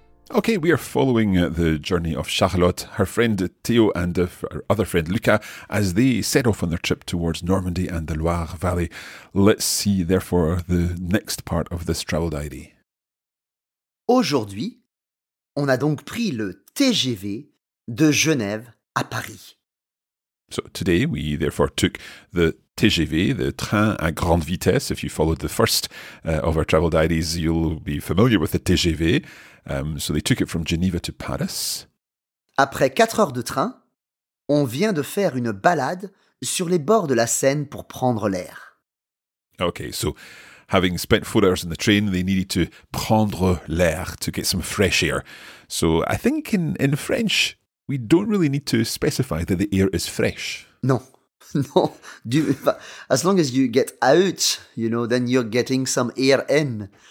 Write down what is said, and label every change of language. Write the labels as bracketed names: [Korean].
[English] Okay, we are following the journey of Charlotte, her friend Theo, and her other friend Luca as they set off on their trip towards Normandy and the Loire Valley. Let's see, therefore, the next part of this travel diary. [French] Aujourd'hui, on a donc pris le TGV de Genève à Paris. [English] So today, we therefore took the TGV, the train à grande vitesse. If you followed the first of our travel diaries, you'll be familiar with the TGV. So they took it from Geneva to Paris. [French] Après 4 heures de train, on vient de faire une balade sur les bords de la Seine pour prendre l'air. [English] Okay, so having spent 4 hours in the train, they needed to prendre l'air, to get some fresh air. So I think in French, we don't really need to specify that the air is fresh. [French] Non. Non. [English] As long as you get out, you know, then you're getting some air in.